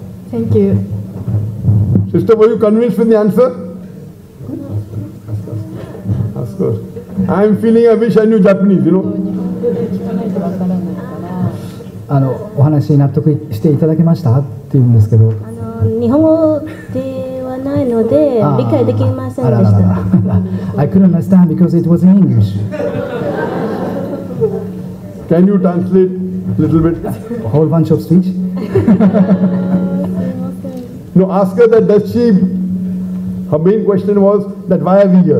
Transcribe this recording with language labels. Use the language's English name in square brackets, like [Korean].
[English] Thank you. Sister, were you convinced with the answer? Of course. I'm feeling I wish I knew Japanese, you know. [Japanese] お話に納得していただけましたっていうんですけど、日本語ではないので理解できませんでした。あららら。 [English] I couldn't understand because it was in English. Can you translate a little bit? A whole bunch of speech? No, ask her that does she... Her main question was that why are we here?